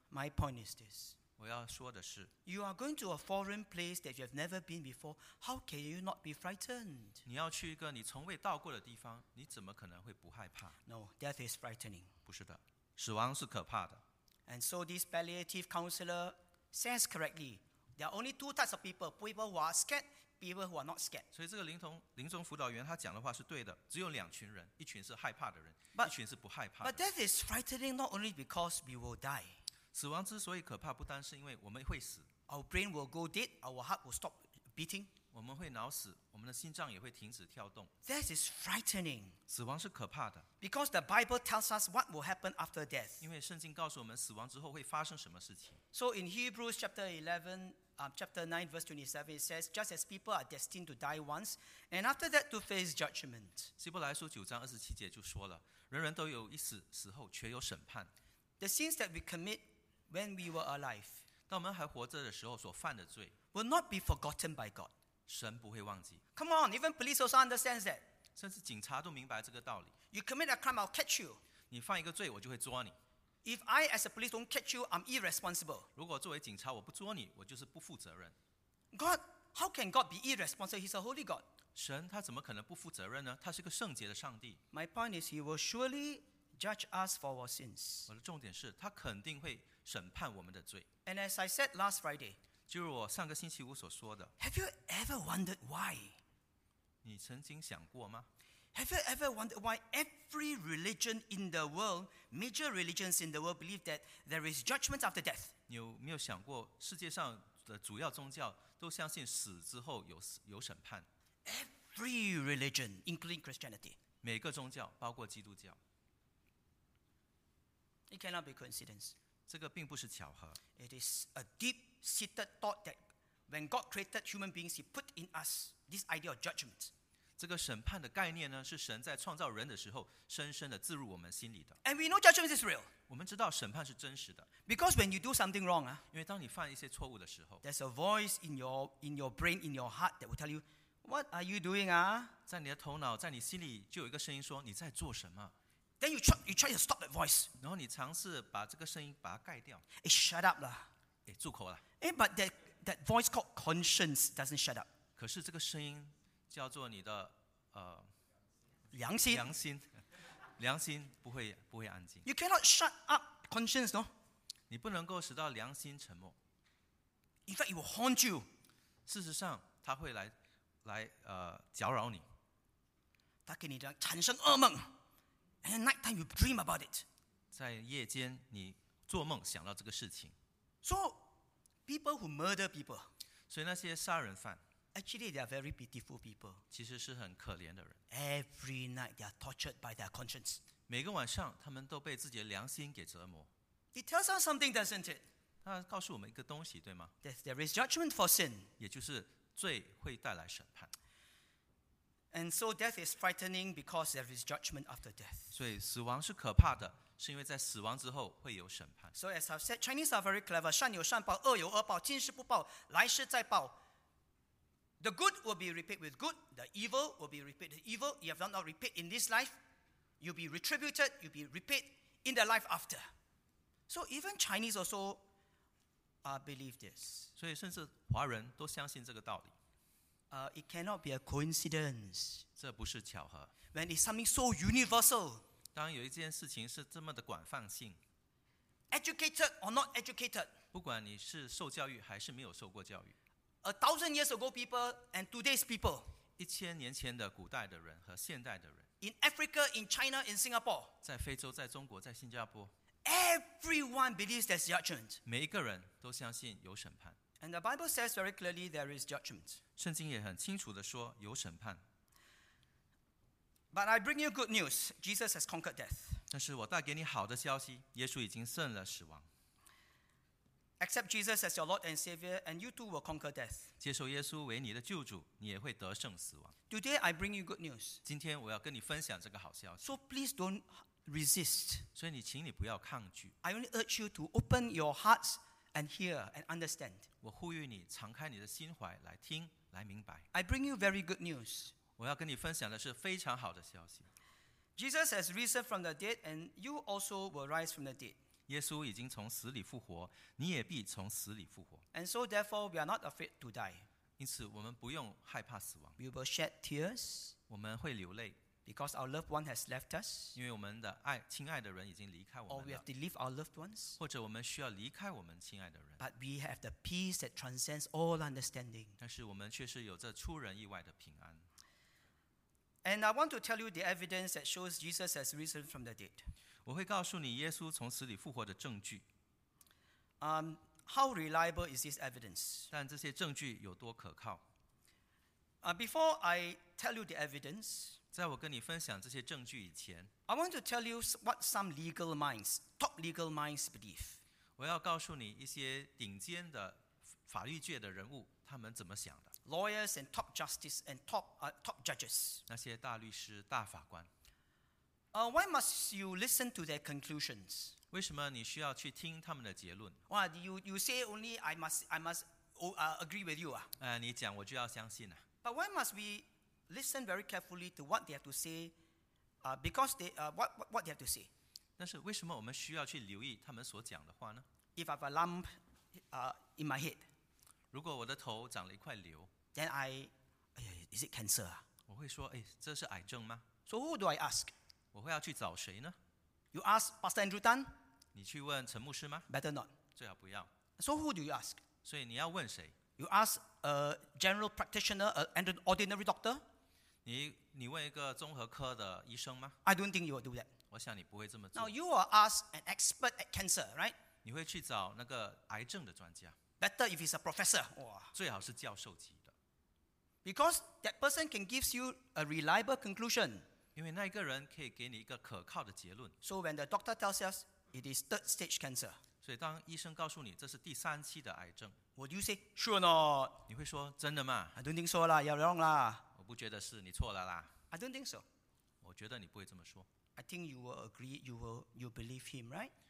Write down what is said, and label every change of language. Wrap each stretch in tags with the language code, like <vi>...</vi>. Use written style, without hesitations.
<en>My point is this.</en> <zh>我要说的是，</zh> <en>You are going to a foreign place that you have never been before. How can you not be frightened?</en> <zh>你要去一个你从未到过的地方，你怎么可能会不害怕？</zh> <en>No, death is frightening.</en> <zh>不是的，死亡是可怕的。</zh> <en>And so this palliative counselor says correctly, there are only two types of people, people who are scared, people who are not scared.</en> <zh>所以这个临终辅导员他讲的话是对的，只有两群人，一群是害怕的人。</zh> <en>But death is frightening not only because we will die.</en> <zh>死亡之所以可怕，不单是因为我们会死。</zh> <en>Our brain will go dead. Our heart will stop beating.</en> <zh>我们会脑死，我们的心脏也会停止跳动。</zh> <en>Death is frightening.</en> <zh>死亡是可怕的。</zh> <en>Because the Bible tells us what will happen after death.</en> <zh>因为圣经告诉我们死亡之后会发生什么事情。</zh> <en>So in Hebrews chapter 11, chapter 9, verse 27, it says, just as people are destined to die once, and after that to face judgment.</en> <zh>希伯来书九章二十七节就说了。人人都有一死，死后却有审判。</zh> <en>The sins that we commit when we were alive,</en> <zh>当我们还活着的时候所犯的罪，</zh> <en>will not be forgotten by God.</en> <zh>神不会忘记。</zh> <en>Come on, even police also understand that.</en> <zh>甚至警察都明白这个道理。</zh> <en>You commit a crime, I'll catch you.</en> <zh>你犯一个罪，我就会抓你。</zh> <en>If I as a police don't catch you, I'm irresponsible.</en> <zh>如果作为警察我不捉你，我就是不负责任。</zh> <en>God, how can God be irresponsible? He's a holy God.</en> <zh>神他怎么可能不负责任呢？他是个圣洁的上帝。</zh> <en>My point is, he will surely judge us for our sins.</en> <zh>我的重点是，他肯定会审判我们的罪。</zh> <en>And as I said last Friday,</en> <zh>就如我上个星期五所说的。</zh> <en>Have you ever wondered why?</en> <zh>你曾经想过吗？</zh> <en>Have you ever wondered why every religion in the world, major religions in the world, believe that there is judgment after death?</en> <zh>你有没有想过，世界上的主要宗教都相信死之后有审判？</zh> <en>Every religion, including Christianity.</en> <zh>每个宗教，包括基督教。</zh> <en>It cannot be coincidence.</en> <zh>这个并不是巧合。</zh> <en>It is a deep-seated thought that when God created human beings, He put in us this idea of judgment.</en> <zh>这个审判的概念呢，是神在创造人的时候深深的植入我们心里的。</zh> <en>And we know judgment is real.</en> <zh>我们知道审判是真实的。</zh> <en>Because when you do something wrong,</en> <zh>因为当你犯一些错误的时候，</zh> <en>there's a voice in your brain, in your heart that will tell you. What are you doing?</en> <zh>在你的头脑，在你心里，就有一个声音说你在做什么。</zh> <en>Then you try to stop that voice.</en> <zh>然后你尝试把这个声音把它盖掉。</zh> <en>Hey, shut up 啦！</en> <zh>住口啦！</zh> <en>But that that voice called conscience doesn't shut up.</en> <zh>可是这个声音叫做你的良心，良心，良心不会安静。</zh> <en>You cannot shut up conscience, no.</en> <zh>你不能够使到良心沉默。</zh> <en>In fact, it will haunt you.</en> <zh>事实上，它会来搅扰你。它给你的产生噩梦</zh> <en>，and at night time you dream about it.</en> <zh>在夜间，你做梦想到这个事情。</zh> <en>So people who murder people.</en> <zh>所以那些杀人犯。</zh> <en>Actually, they are very pitiful people.</en> <zh>其实是很可怜的人。</zh> <en>Every night, they are tortured by their conscience.</en> <zh>每个晚上，他们都被自己的良心给折磨。</zh> <en>It tells us something, doesn't it?</en> <zh>它告诉我们一个东西，对吗</zh> <en>？That there is judgment for sin.</en> <zh>也就是罪会带来审判。</zh> <en>And so death is frightening because there is judgment after death.</en> <zh>所以死亡是可怕的，是因为在死亡之后会有审判。</zh> <en>So as I've said, Chinese are very clever.</en> <zh>善有善报，恶有恶报，今世不报，来世再报。</zh> <en>The good will be repaid with good. The evil will be repaid with evil. You have not repaid in this life, you'll be retributed. You'll be repaid in the life after. So even Chinese also, believe this.</en> <zh>所以甚至华人都相信这个道理。</zh> <en>It cannot be a coincidence.</en> <zh>这不是巧合。</zh> <en>When it's something so universal.</en> <zh>当有一件事情是这么的广泛性。</zh> <en>Educated or not educated.</en> <zh>不管你是受教育还是没有受过教育。</zh> <en>A thousand years ago, people and today's people.</en> <zh>一千年前的古代的人和现代的人。</zh> <en>In Africa, in China, in Singapore.</en> <zh>在非洲，在中国，在新加坡。</zh> <en>Everyone believes there's judgment.</en> <zh>每一个人都相信有审判。</zh> <en>And the Bible says very clearly there is judgment.</en> <zh>圣经也很清楚地说有审判。</zh> <en>But I bring you good news. Jesus has conquered death.</en> <zh>但是我带给你好的消息，耶稣已经胜了死亡。</zh> <en>Accept Jesus as your Lord and Savior, and you too will conquer death.</en> <zh>接受耶稣为你的救主，你也会得胜死亡。</zh> <en>Today I bring you good news.</en> <zh>今天我要跟你分享这个好消息。</zh> <en>So please don't resist.</en> <zh>所以你请你不要抗拒。</zh> <en>I only urge you to open your hearts and hear and understand.</en> <zh>我呼吁你敞开你的心怀来听，来明白。</zh> <en>I bring you very good news.</en> <zh>我要跟你分享的是非常好的消息。</zh> <en>Jesus has risen from the dead, and you also will rise from the dead.</en> <zh>耶稣已经从死里复活，你也必从死里复活。</zh> <en>And so therefore we are not afraid to die.</en> <zh>因此我们不用害怕死亡。</zh> <en>We will shed tears.</en> <zh>我们会流泪。</zh> <en>Because our loved one has left us.</en> <zh>因为我们的爱，亲爱的人已经离开我们了。</zh> <en>Or we have to leave our loved ones.</en> <zh>或者我们需要离开我们亲爱的人。</zh> <en>But we have the peace that transcends all understanding.</en> <zh>但是我们却是有着出人意外的平安。</zh> <en>And I want to tell you the evidence that shows Jesus has risen from the dead.</en> <zh>我会告诉你耶稣从死里复活的证据。</zh> <en>How reliable is this evidence?</en> <zh>但这些证据有多可靠？</zh> <en>Before I tell you the evidence,</en> <zh>在我跟你分享这些证据以前，</zh> <en>I want to tell you what some legal minds, top legal minds believe.</en> <zh>我要告诉你一些顶尖的法律界的人物，他们怎么想的。</zh> <en>Lawyers and top justice and top judges.</en> <zh>那些大律师、大法官。</zh> <en>Why must you listen to their conclusions?</en> <zh>为什么你需要去听他们的结论？</zh> <en>Well, you say only I must agree with you.</en> <zh>你讲我就要相信。</zh> <en>But why must we listen very carefully to what they have to say? Because they what they have to say.</en> <zh>但是为什么我们需要去留意他们所讲的话呢？</zh> <en>If I have a lump, in my head.</en> <zh>如果我的头长了一块瘤，</zh> <en>then I, is it cancer?</en> <zh>我会说，这是癌症吗？</zh> <en>So who do I ask?</en> <zh>我会要去找谁呢？</zh> <en>You ask Pastor Andrew Tan?</en> <zh>你去问陈牧师吗？</zh> <en>Better not.</en> <zh>最好不要。</zh> <en>So who do you ask?</en> <zh>所以你要问谁？</zh> <en>You ask a general practitioner and an ordinary doctor?</en> <zh>你问一个综合科的医生吗？</zh> <en>I don't think you will do that.</en> <zh>我想你不会这么做。</zh> <en>Now you will ask an expert at cancer, right?</en> <zh>你会去找那个癌症的专家。</zh> <en>Better if he's a professor.</en> <zh>最好是教授级的。</zh> <en>Because that person can give you a reliable conclusion.</en> <zh>因为那个人可以给你一个可靠的结论。</zh> <en>So when the doctor tells us it is third stage cancer.</en> <zh>所以当医生告诉你这是第三期的癌症。</zh> <en>Would you say, sure or not?</en> <zh>你会说真的吗？</zh> <en>I don't think so, la, you're wrong, la.</en> <zh>我不觉得是，你错了啦。</zh> <en>I don't think so.</en> <zh>我觉得你不会这么说。</zh> <en>I think you will agree, you believe him, right?</en>